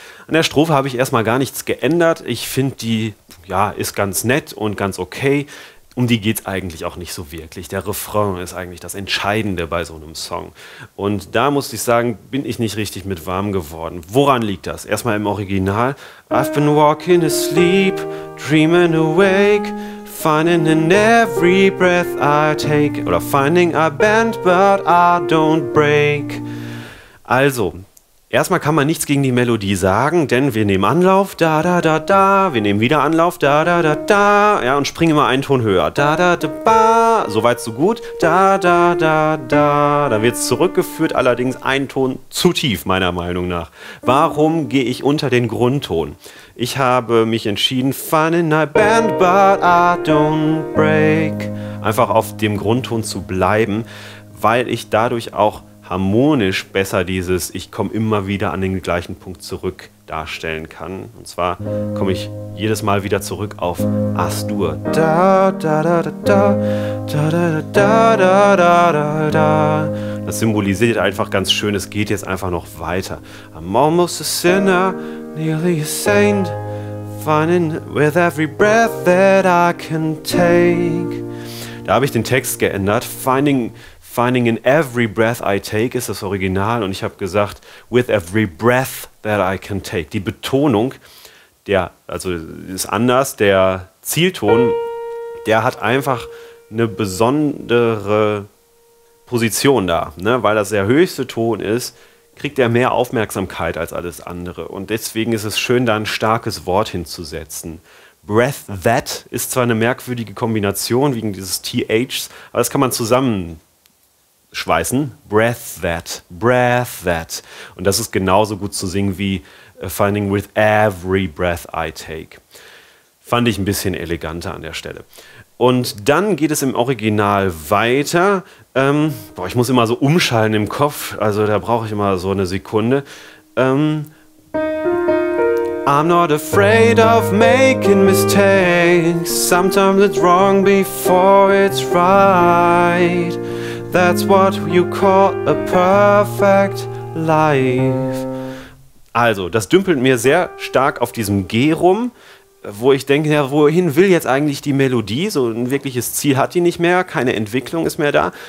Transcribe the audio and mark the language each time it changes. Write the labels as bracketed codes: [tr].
[de] An der Strophe habe ich erstmal gar nichts geändert. Ich finde die, ja, ist ganz nett und ganz okay. Um die geht es eigentlich auch nicht so wirklich. Der Refrain ist eigentlich das Entscheidende bei so einem Song. Und da muss ich sagen, bin ich nicht richtig mit warm geworden. Woran liegt das? Erstmal im Original. [en] I've been walking asleep, dreaming awake, finding in every breath I take. [de] Oder [en] finding I bend, but I don't break. [de] Also, erstmal kann man nichts gegen die Melodie sagen, denn wir nehmen Anlauf, da da da da, wir nehmen wieder Anlauf, da da da da, ja, und springen immer einen Ton höher, da da da ba, so weit so gut, da da da da, dann wird es zurückgeführt, allerdings einen Ton zu tief, meiner Meinung nach. Warum gehe ich unter den Grundton? Ich habe mich entschieden, [en] fun in a band, but I don't break, [de] einfach auf dem Grundton zu bleiben, weil ich dadurch auch harmonisch besser dieses ich komme immer wieder an den gleichen Punkt zurück darstellen kann. Und zwar komme ich jedes Mal wieder zurück auf As-Dur. Da da da da da da da da da da da. Das symbolisiert einfach ganz schön, es geht jetzt einfach noch weiter. [en] I'm almost a sinner, nearly a saint, finding with every breath that I can take. [de] Da habe ich den Text geändert, [en] Finding in every breath I take [de] ist das Original und ich habe gesagt, [en] with every breath that I can take. [de] Die Betonung, der, also ist anders, der Zielton, der hat einfach eine besondere Position da. Ne? Weil das der höchste Ton ist, kriegt er mehr Aufmerksamkeit als alles andere. Und deswegen ist es schön, da ein starkes Wort hinzusetzen. Breath that ist zwar eine merkwürdige Kombination wegen dieses THs, aber das kann man zusammen schweißen, breath that, breath that. Und das ist genauso gut zu singen wie [en] finding with every breath I take. [de] Fand ich ein bisschen eleganter an der Stelle. Und dann geht es im Original weiter. Ich muss immer so umschalten im Kopf, also da brauche ich immer so eine Sekunde. [en] I'm not afraid of making mistakes, sometimes it's wrong before it's right. That's what you call a perfect life. [de] Also, das dümpelt mir sehr stark auf diesem G rum, wo ich denke, ja, wohin will jetzt eigentlich die Melodie? So ein wirkliches Ziel hat die nicht mehr, keine Entwicklung ist mehr da.